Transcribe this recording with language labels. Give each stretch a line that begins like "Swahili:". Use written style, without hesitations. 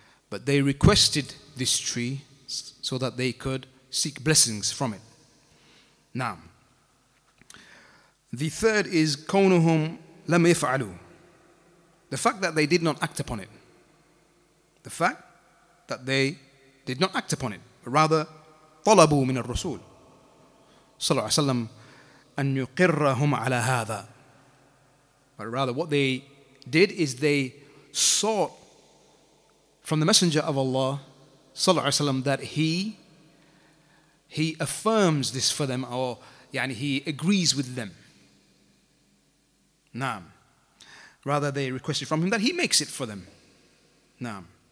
English: But they requested this tree so that they could seek blessings from it. Now, the third is
Arabic: كونهم لم يفعلوا.
English: The fact that they did not act upon it. The fact that they did not act upon it.
Arabic: Rather, طلبوا من الرسول صلى الله عليه وسلم أن يقرهم على هذا.
English: But rather, what they did is they sought from the Messenger of Allah صلى الله عليه وسلم that he affirms this for them, or يعني he agrees with them. Naam. Rather, they requested from him that he makes it for them. Naam.